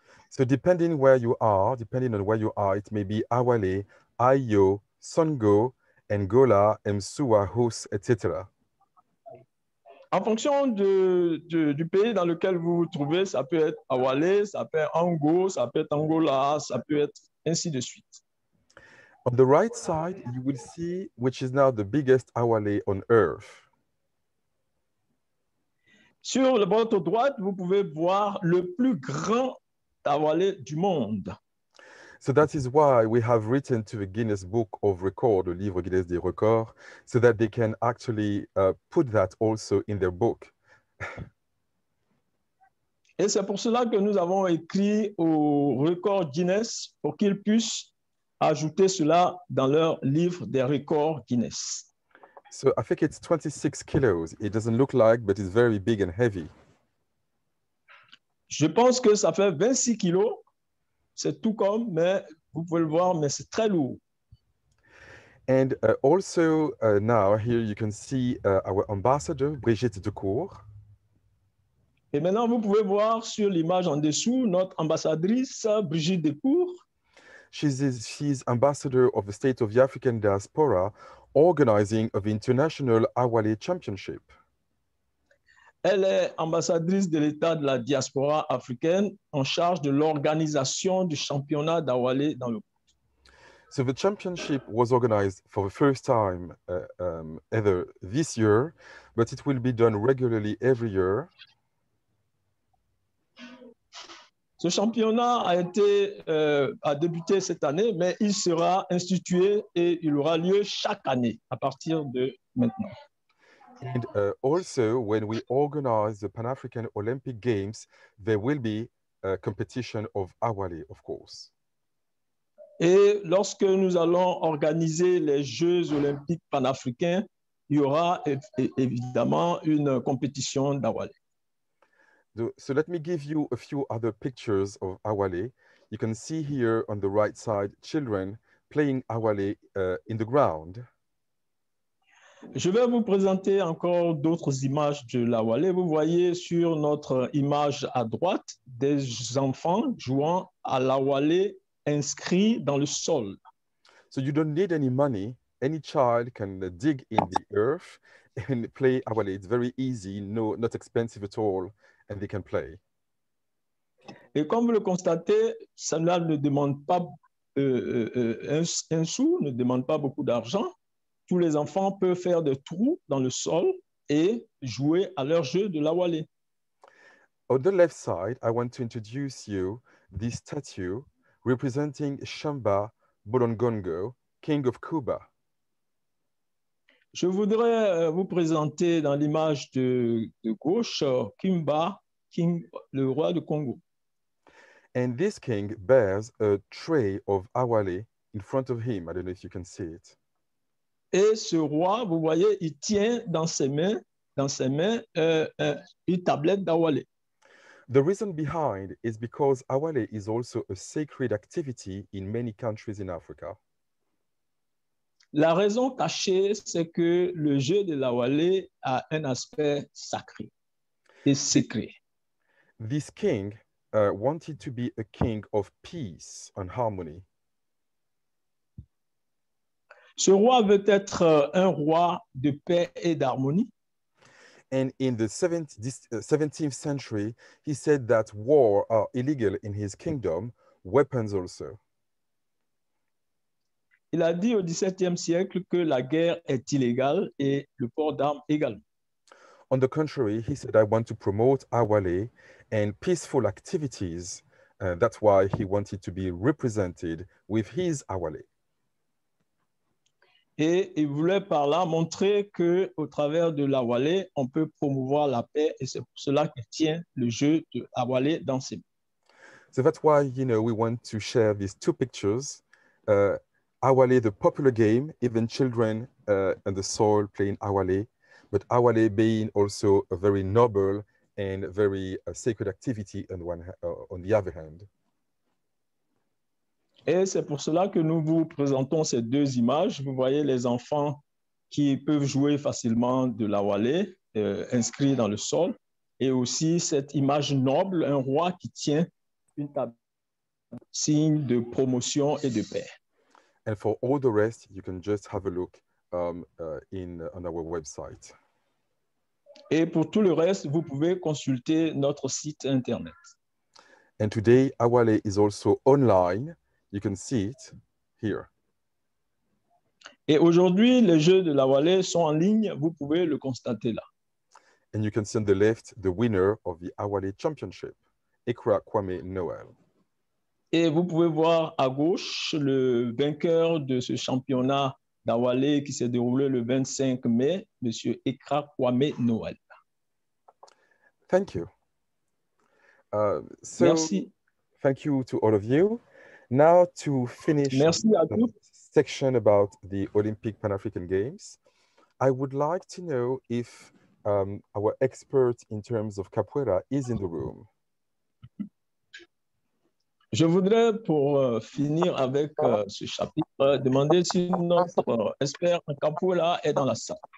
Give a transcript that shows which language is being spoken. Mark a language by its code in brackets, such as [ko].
[en] So depending where you are, depending on where you are, it may be Awale, Ayo, Songo, Angola, Msuwa, Hous, etc. [fr] En fonction du pays dans lequel vous vous trouvez, ça peut être Awale, ça peut être Ango, ça peut être Angola, ça peut être ainsi de suite. [en] On the right side, you will see which is now the biggest Awale on earth. [fr] Sur le bord à droite, vous pouvez voir le plus grand Awale du monde. [en] So that is why we have written to the Guinness Book of Records, [fr] le livre Guinness des records, [en] so that they can actually put that also in their book. [fr] Et c'est pour cela que nous avons écrit au record Guinness pour qu'ils puissent ajouter cela dans leur livre des records Guinness. [en] So I think it's 26 kilos. It doesn't look like, but it's very big and heavy. [fr] Je pense que ça fait 26 kilos. C'est tout comme, mais vous pouvez le voir, mais c'est très lourd. [en] And also now here you can see our ambassador, Brigitte Decourt. [fr] Et maintenant, vous pouvez voir sur l'image en dessous notre ambassadrice, Brigitte Decourt. [en] She's ambassador of the State of the African Diaspora, organizing of the International Awale Championship. [fr] Elle est ambassadrice de l'État de la diaspora africaine en charge de l'organisation du championnat d'Awale dans le monde. [en] So the championship was organized for the first time either this year, but it will be done regularly every year. [fr] Ce championnat a été a débuté cette année, mais il sera institué et il aura lieu chaque année à partir de maintenant. [en] And also, when we organize the Pan-African Olympic Games, there will be a competition of Awale, of course. [fr] Et lorsque nous allons organiser les Jeux Olympiques panafricains, il y aura évidemment une compétition d'Awale. [en] So let me give you a few other pictures of Awale. You can see here on the right side, children playing Awale in the ground. [fr] Je vais vous présenter encore d'autres images de la Wallée. Vous voyez sur notre image à droite des enfants jouant à la Wallée inscrits dans le sol. [en] So you don't need any money. Any child can dig in the earth and play à Wallée. It's very easy, no, not expensive at all, and they can play. [fr] Et comme vous le constatez, cela ne demande pas un sou, ne demande pas beaucoup d'argent. Tous les enfants peuvent faire des trous dans le sol et jouer à leur jeu de la Wallée. [en] On the left side, I want to introduce you this statue representing Shamba Bolongongo, King of Cuba. [fr] Je voudrais vous présenter dans l'image de gauche Kimba, King, le roi du Congo. [en] And this king bears a tray of awale in front of him. I don't know if you can see it. [fr] Et ce roi, vous voyez, il tient dans ses mains, une tablette d'awale. [en] The reason behind is because awale is also a sacred activity in many countries in Africa. [fr] La raison cachée, c'est que le jeu de l'awale a un aspect sacré et secret. [en] This king wanted to be a king of peace and harmony. [fr] Ce roi veut être un roi de paix et d'harmonie. [en] And in the 17th century, he said that war are illegal in his kingdom, weapons also. [fr] Il a dit au 17e siècle que la guerre est illégale et le port d'armes également. [en] On the contrary, he said, I want to promote awale and peaceful activities. That's why he wanted to be represented with his awale. [fr] Et il voulait par là montrer que au travers de l'awale, on peut promouvoir la paix, et c'est pour cela qu'il tient le jeu de awale dans ses mains. [en] So that's why, you know, we want to share these two pictures. Awale, the popular game, even children on the soil playing awale, but awale being also a very noble and very sacred activity on the other hand. [fr] Et c'est pour cela que nous vous présentons ces deux images. Vous voyez les enfants qui peuvent jouer facilement de la Wallée, inscrits dans le sol, et aussi cette image noble, un roi qui tient une table, signe de promotion et de paix. [en] And for all the rest, you can just have a look on our website. [fr] Et pour tout le reste, vous pouvez consulter notre site internet. [en] And today, Awale is also online. You can see it here. [fr] Et aujourd'hui, les jeux de la Wallée sont en ligne. Vous pouvez le constater là. [en] And you can see on the left the winner of the Awale Championship, Ekra Kwame Noel. [fr] Et vous pouvez voir à gauche le vainqueur de ce championnat d'Awale qui s'est déroulé le 25 mai, Monsieur Ekra Kwame Noel. [en] Thank you. [fr] Merci. [en] Thank you to all of you. Now to finish [fr] Merci à tous. [en] The section about the Olympic Pan-African Games, I would like to know if our expert in terms of capoeira is in the room. [fr] Je voudrais, pour finir avec ce chapitre, demander si notre expert en capoeira est dans la salle.